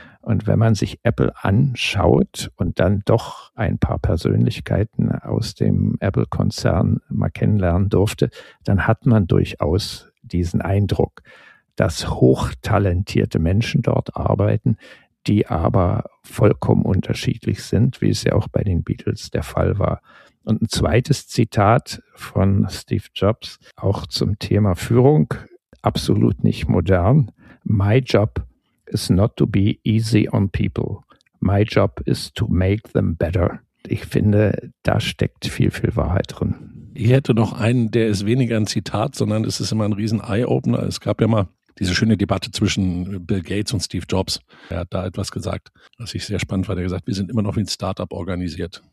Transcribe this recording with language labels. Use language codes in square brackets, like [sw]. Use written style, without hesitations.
[de] Und wenn man sich Apple anschaut und dann doch ein paar Persönlichkeiten aus dem Apple-Konzern mal kennenlernen durfte, dann hat man durchaus diesen Eindruck, dass hochtalentierte Menschen dort arbeiten, die aber vollkommen unterschiedlich sind, wie es ja auch bei den Beatles der Fall war. Und ein zweites Zitat von Steve Jobs, auch zum Thema Führung, absolut nicht modern. [en] My job is not to be easy on people. My job is to make them better. [de] Ich finde, da steckt viel, viel Wahrheit drin. Ich hätte noch einen, der ist weniger ein Zitat, sondern es ist immer ein riesen Eye-Opener. Es gab ja mal diese schöne Debatte zwischen Bill Gates und Steve Jobs. Er hat da etwas gesagt, was ich sehr spannend fand. Er hat gesagt, wir sind immer noch wie ein Startup organisiert.